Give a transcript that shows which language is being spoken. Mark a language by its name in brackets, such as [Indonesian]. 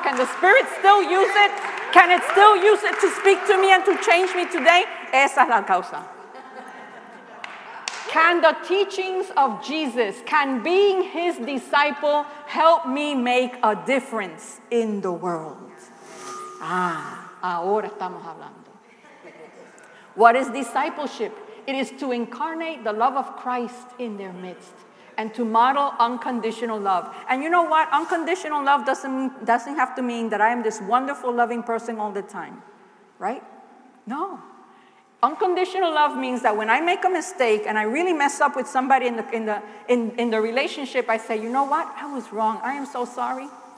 [English] Can the Spirit still use it? Can it still use it to speak to me and to change me today? [Spanish] Esa es la causa. [English] Can the teachings of Jesus, can being his disciple help me make a difference in the world? [Spanish] Ah, ahora estamos hablando. [English] What is discipleship? It is to incarnate the love of Christ in their midst and to model unconditional love. And you know what? Unconditional love doesn't have to mean that I am this wonderful, loving person all the time, right? No. Unconditional love means that when I make a mistake and I really mess up with somebody in the relationship, I say, you know what? I was wrong. I am so sorry.